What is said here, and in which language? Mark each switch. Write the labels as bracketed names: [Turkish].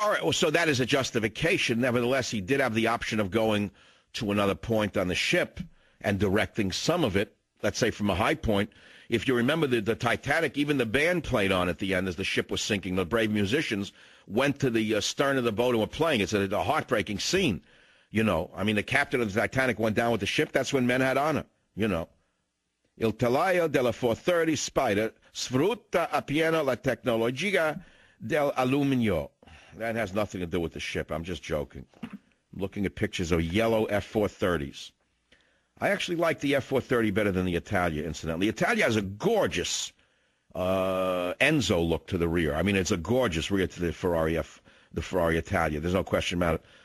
[English] All right, well, so that is a justification. Nevertheless, he did have the option of going to another point on the ship and directing some of it, let's say from a high point. If you remember the Titanic, even the band played on at the end as the ship was sinking, the brave musicians went to the stern of the boat and were playing. It's a heartbreaking scene, you know. I mean, the captain of the Titanic went down with the ship. That's when men had honor, you know. [Italian] Il telaio della 430 Spider sfrutta appieno la tecnologia dell'alluminio. [English] That has nothing to do with the ship. I'm just joking. I'm looking at pictures of yellow F-430s. I actually like the F-430 better than the Italia, incidentally. Italia has a gorgeous Enzo look to the rear. I mean, it's a gorgeous rear to the Ferrari Italia. There's no question about it.